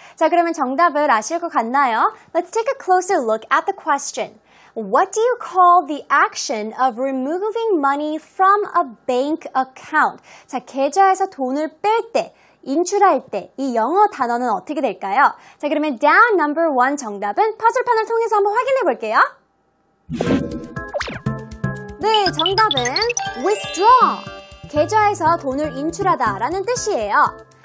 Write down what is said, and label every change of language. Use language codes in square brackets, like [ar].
[ko] 자, 그러면 정답을 아실 것 같나요? [en] Let's take a closer look at the question. What do you call the action of removing money from a bank account? [ko] 자, 계좌에서 돈을 뺄 때, 인출할 때, 이 영어 단어는 어떻게 될까요? 자, 그러면 down number 1 정답은 퍼즐판을 통해서 한번 확인해 볼게요. 네, 정답은 withdraw. 계좌에서 돈을 인출하다 라는 뜻이에요.